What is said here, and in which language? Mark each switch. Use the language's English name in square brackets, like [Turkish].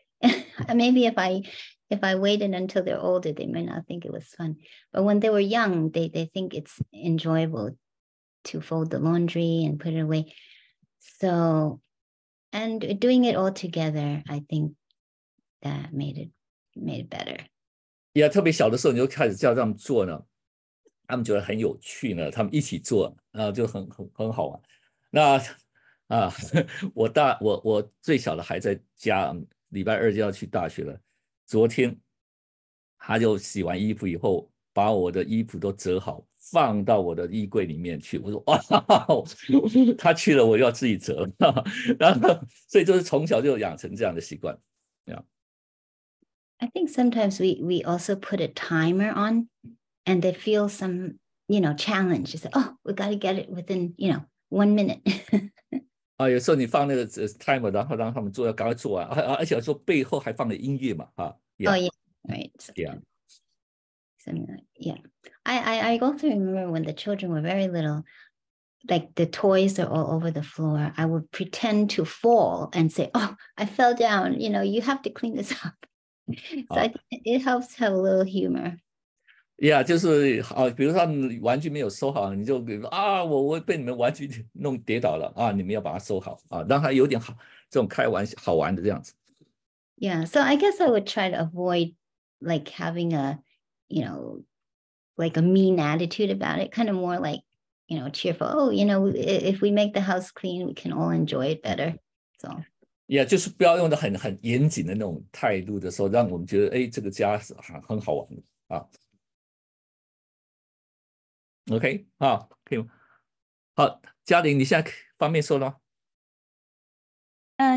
[English] Maybe if I waited until they're older, they might not think it was fun. But when they were young, they think it's enjoyable to fold the laundry and put it away. So. And doing it all together, I think that made it better. [Chinese] Yeah, 特别小的时候你就开始叫他们做呢，他们觉得很有趣呢，他们一起做，就很好玩。那啊，我最小的还在家，礼拜二就要去大学了。昨天他就洗完衣服以后，把我的衣服都折好，放到我的衣柜里面去。我说哇，他去了，我要自己折。然后，所以就是从小就养成这样的习惯，这样。 [English] I think sometimes we also put a timer on and they feel some, you know, challenge. You say, oh, we got to get it within, you know, 1 minute. [Chinese] 啊，有时候你放那个timer，然后让他们做，要赶快做完，而且说背后还放了音乐嘛， [English] Oh, yeah, right. So, yeah. I also remember when the children were very little, like the toys are all over the floor. I would pretend to fall and say, oh, I fell down. You know, you have to clean this up. So I think it helps have a little humor. [Chinese] Yeah，就是比如说他们玩具没有收好，你就给啊，我被你们玩具弄跌倒了啊，你们要把它收好啊，让它有点好这种开玩笑好玩的这样子。 [English] Yeah, so I guess I would try to avoid like having a, you know, like a mean attitude about it, kind of more like, you know, cheerful. Oh, you know, if we make the house clean, we can all enjoy it better. So. [Chinese] Yeah，就是不要用的很严谨的那种态度的时候，让我们觉得哎，这个家很好玩啊。 OK 啊，可以吗？好，嘉玲，你现在方便说了吗？